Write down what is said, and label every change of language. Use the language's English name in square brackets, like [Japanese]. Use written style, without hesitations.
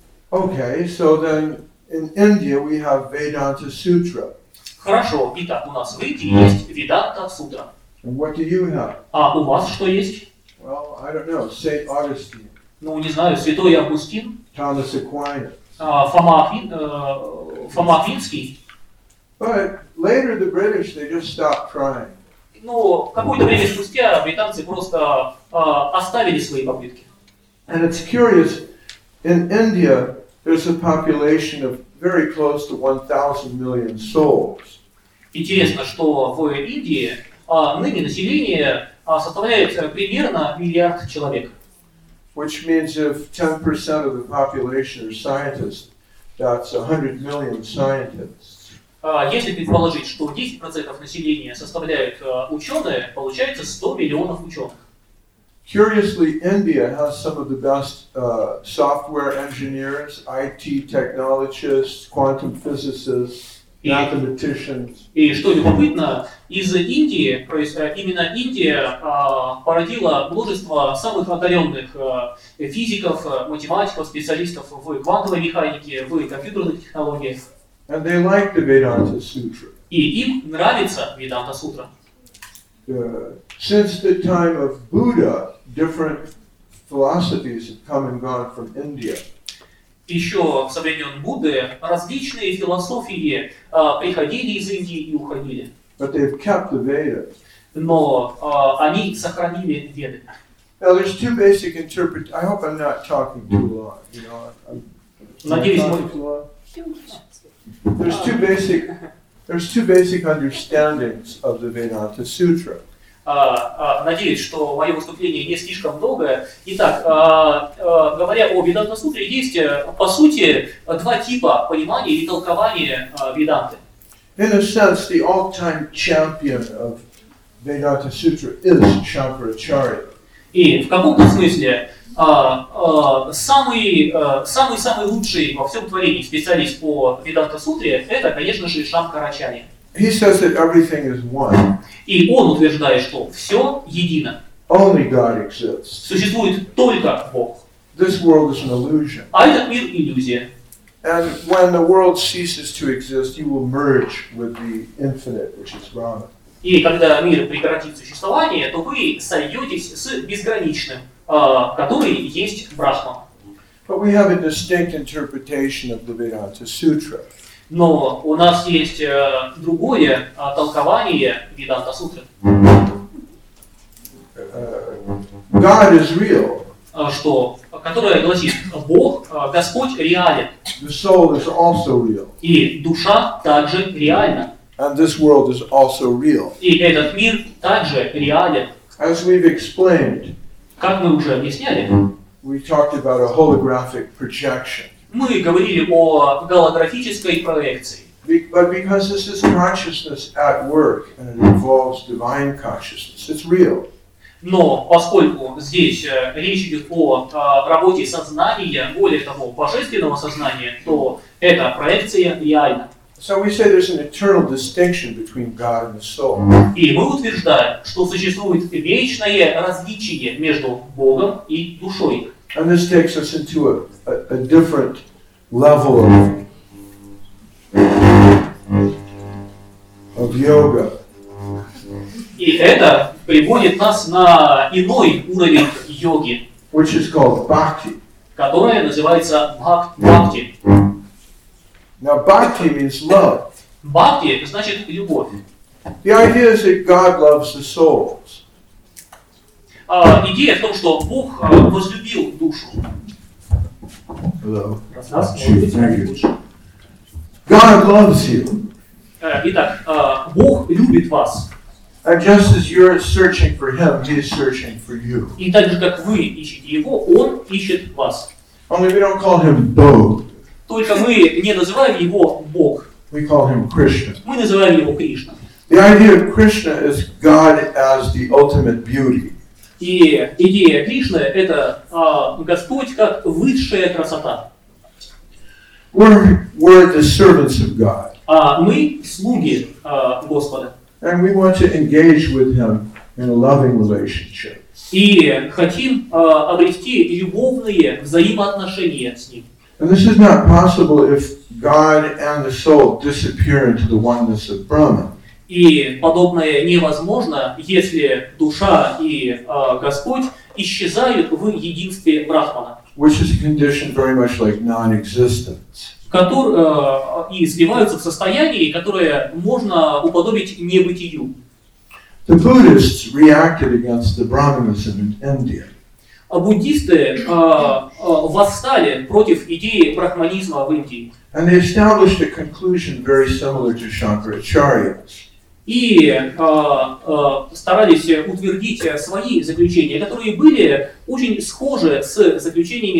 [English] Okay, so then in India we have Vedanta Sutra. [Russian] Хорошо, итак, у нас в Индии есть Веданта Сутра. [English] And what do you have? [Russian] А у вас что есть? [English] Well, I don't know, Saint Augustine. [Russian] Ну, не знаю, Святой Августин. [English] Thomas Aquinas. [Russian] Фома Аквинский. [English] But later the British, they just stopped trying. [Russian] Ну, какое-то время спустя британцы просто оставили свои попытки. [English] And it's curious, in India there's a population of very close to 1,000 million souls. [Russian] Интересно, что в Индии ныне население составляет примерно миллиард человек. [English] Which means if 10% of the population are scientists, that's 100 million scientists. [Russian] Если предположить, что 10% населения составляют ученые, получается 100 миллионов ученых. [English] Curiously, India has some of the best software engineers, IT technologists, quantum physicists, mathematicians. [Russian] И что любопытно, из Индии, то есть именно Индия породила множество самых одаренных физиков, математиков, специалистов в квантовой механике, в компьютерных технологиях. [English] And they like the Vedanta Sutra. [Russian] И им нравится Веданта Сутра. [English] Since the time of Buddha, different philosophies have come and gone from India. [Russian] Еще со времен Будды различные философии приходили из Индии и уходили. [English] But they've kept the Vedas. [Russian] Но они сохранили Веды. [English] Now there's two basic interpretations. I hope I'm not talking too long. There's two basic understandings of the Vedanta Sutra. [Russian] Надеюсь, что мое выступление не слишком долгое. Итак, говоря о Веданта Сутре, есть, по сути, два типа понимания или толкования Веданты. [English] In a sense, the all-time champion of Vedanta Sutra is Shankaracharya. [Russian] И в каком-то смысле самый-самый лучший во всем творении специалист по Веданта Сутре – это, конечно же, Шанкарачарья. [English] He says that everything is one. [Russian] И он утверждает, что все едино. [English] Only God exists. [Russian] Существует только Бог. [English] This world is an illusion. [Russian] А этот мир иллюзия. [English] And when the world ceases to exist, you will merge with the infinite, which is Brahman. [Russian] И когда мир прекратит существование, то вы сольетесь с безграничным, который есть Брахман. [English] But we have a distinct interpretation of the Vedanta Sutra. [Russian] Но у нас есть другое толкование Веданта Сутры. [English] God is real. [Russian] Что? Которое гласит, Бог, Господь реален. [English] The soul is also real. [Russian] И душа также реальна. [English] And this world is also real. [Russian] И этот мир также реален. [English] As we've explained, [Russian] как мы уже объясняли, [English] we talked about a holographic projection. [Russian] Мы говорили о голографической проекции. [English] But because this is consciousness at work and it involves divine consciousness, it's real. [Russian] Но поскольку здесь речь идет о работе сознания, более того, божественного сознания, то эта проекция реальна. [English] So we say there's an eternal distinction between God and the soul. [Russian] И мы утверждаем, что существует вечное различие между Богом и душой. [English] And this takes us into a different level of yoga. [Russian] И это приводит нас на иной уровень йоги, [English] which is called bhakti. [Russian] Которая называется бхакти. [English] Now bhakti means love. [Russian] Бхакти значит любовь. [English] The idea is that God loves the souls. [Russian] Идея в том, что Бог возлюбил душу. [English] God loves you. [Russian] Итак, Бог любит вас. [English] And just as you're searching for Him, He is searching for you. [Russian] И так же, как вы ищете Его, Он ищет вас. [English] Only we don't call Him Bog. [Russian] Только мы не называем Его Бог. [English] We call Him Krishna. [Russian] Мы называем Его Кришна. [English] The idea of Krishna is God as the ultimate beauty. [Russian] И идея Кришны — это Господь как высшая красота. [English] We're the servants of God. [Russian] А мы слуги Господа. [English] And we want to engage with Him in a loving relationship. [Russian] И хотим обрести любовные взаимоотношения с Ним. [English] And this is not possible if God and the soul disappear into the oneness of Brahma. [Russian] И подобное невозможно, если душа и Господь исчезают в единстве Брахмана. [English] Which is a condition very much like non-existence. [Russian] И сливаются в состоянии, которое можно уподобить небытию. [English] The Buddhists reacted against the Brahmanism in India. [Russian] А буддисты восстали против идеи брахманизма в Индии. [English] And they established a conclusion very similar to Shankaracharya's. [Russian] И старались утвердить свои заключения, которые были очень схожи с заключениями